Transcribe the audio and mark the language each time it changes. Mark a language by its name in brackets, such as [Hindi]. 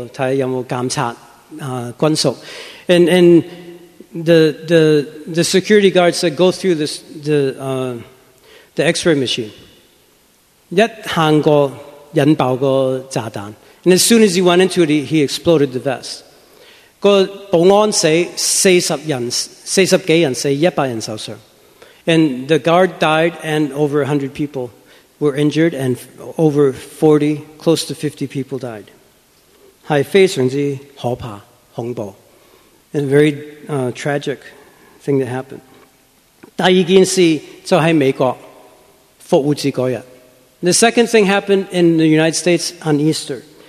[Chinese] 其中一间教会的保安就是见到那个恐怖分子,他不知道是恐怖分子,他叫他走的那个过机,看有没有监察军属。 [English] And the security guard said, go through this, the X-ray machine. [Chinese] 一走过引爆个炸弹。 [English] And as soon as he went into it, he exploded the vest. [Chinese] 那个保安死,四十多人死,一百人受伤。 [English] And the guard died, and over 100 people were injured, and over 40, close to 50 people died. [Chinese] 是非常之可怕,恐怖。 [English] And a very tragic thing that happened. [Chinese] 第二件事就是美国,复活节那天。 [English] The second thing happened in the United States on Easter.